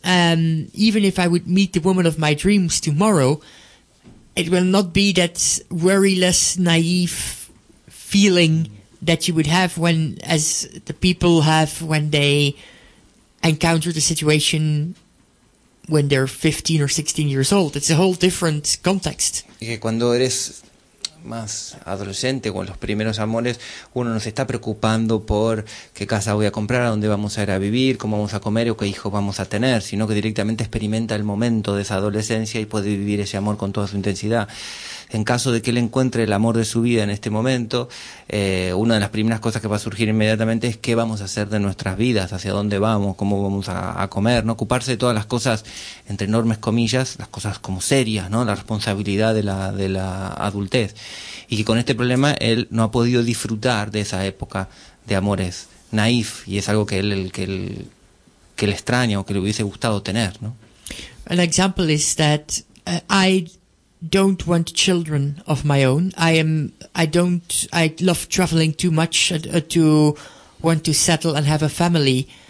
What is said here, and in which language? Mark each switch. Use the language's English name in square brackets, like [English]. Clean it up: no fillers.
[English] Even if I would meet the woman of my dreams tomorrow, it will not be that worryless, naive feeling that you would have when they encounter the situation when they're 15 or 16 years old. It's a whole different context. [Spanish] Y que cuando eres más adolescente, con los primeros amores, uno no se está preocupando por qué casa voy a comprar, a dónde vamos a ir a vivir, cómo vamos a comer o qué hijos vamos a tener, sino que directamente experimenta el momento de esa adolescencia y puede vivir ese amor con toda su intensidad. En caso de que él encuentre el amor de su vida en este momento, una de las primeras cosas que va a surgir inmediatamente es qué vamos a hacer de nuestras vidas, hacia dónde vamos, cómo vamos a comer, ¿no? Ocuparse de todas las cosas, entre enormes comillas, las cosas como serias, ¿no? La responsabilidad de la adultez. Y que con este problema él no ha podido disfrutar de esa época de amores naif, y es algo que él extraña o que le hubiese gustado tener, ¿no? [English] An example is that I don't want children of my own. I love traveling too much to want to settle and have a family.